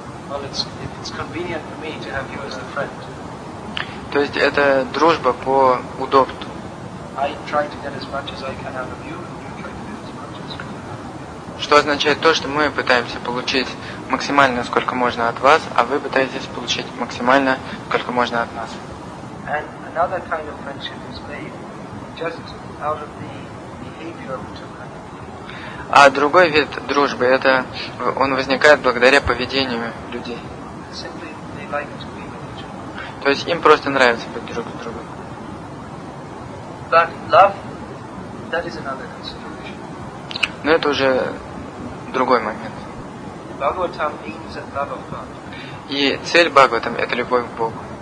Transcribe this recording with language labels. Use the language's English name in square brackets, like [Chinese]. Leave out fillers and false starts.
[English] Well, it's convenient for me to have you as a friend. [Russian] То есть это дружба по удобству. [English] I try to get as much as I can out of you, and you try to get as much as I can out of you. [Russian] Что означает то, что мы пытаемся получить максимально сколько можно от вас, а вы пытаетесь получить максимально сколько можно от нас. [English] And another kind of friendship is made just out of the behavior of two. [Russian] А другой вид дружбы, это он возникает благодаря поведению людей. [English] Simply, they like to be with each other. [Russian] То есть им просто нравится быть друг с другом. [English] But love, that is another consideration. [Russian] Но это уже другой момент. [English] Bhagavatam means that love of God. [Russian] И цель Бхагаватам – это любовь к Богу.